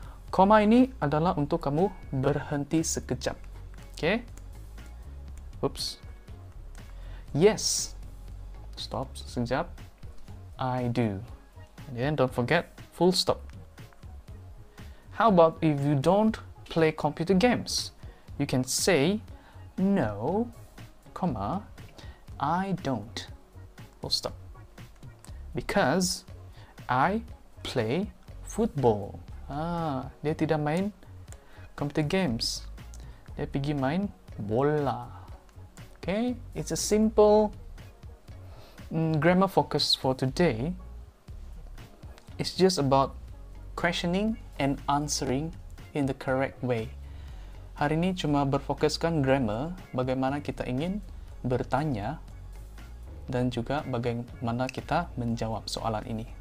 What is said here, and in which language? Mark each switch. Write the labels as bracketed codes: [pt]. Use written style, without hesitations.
[ms] Comma ini adalah untuk kamu berhenti sekejap. [en] Okay? Oops. Yes. Stop [ms] sekejap. [en] I do. And then don't forget full stop. How about if you don't play computer games? You can say, no, comma, I don't. Full stop. Because I play football. [ms] Dia tidak main computer games. Dia pergi main bola. [en] Okay, it's a simple grammar focus for today. It's just about questioning and answering in the correct way. [ms] Hari ini cuma berfokuskan grammar, bagaimana kita ingin bertanya dan juga bagaimana kita menjawab soalan ini.